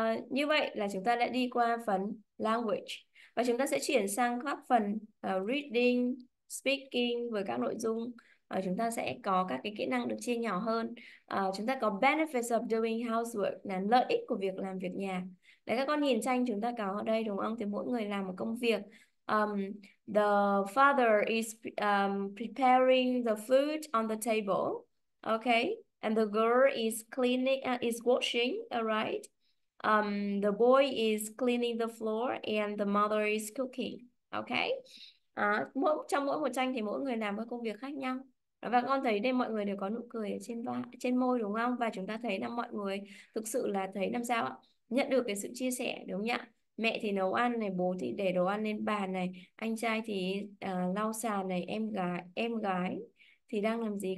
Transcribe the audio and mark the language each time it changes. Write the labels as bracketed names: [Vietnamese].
[Vietnamese] Như vậy là chúng ta đã đi qua phần language và chúng ta sẽ chuyển sang các phần reading, speaking với các nội dung. Chúng ta sẽ có các cái kỹ năng được chia nhỏ hơn. Chúng ta có [English] benefits of doing housework [Vietnamese] là lợi ích của việc làm việc nhà. Đấy, các con nhìn tranh chúng ta có ở đây đúng không? Thì mỗi người làm một công việc. [English] The father is preparing the food on the table. Okay. And the girl is washing, alright. The boy is cleaning the floor and the mother is cooking. Okay. [Vietnamese] Trong mỗi một tranh thì mỗi người làm một công việc khác nhau. Và con thấy đây mọi người đều có nụ cười ở trên môi đúng không? Và chúng ta thấy là mọi người thực sự là thấy làm sao ạ? Nhận được cái sự chia sẻ đúng không ạ? Mẹ thì nấu ăn này, bố thì để đồ ăn lên bàn này, anh trai thì lau sàn này, em gái thì đang làm gì?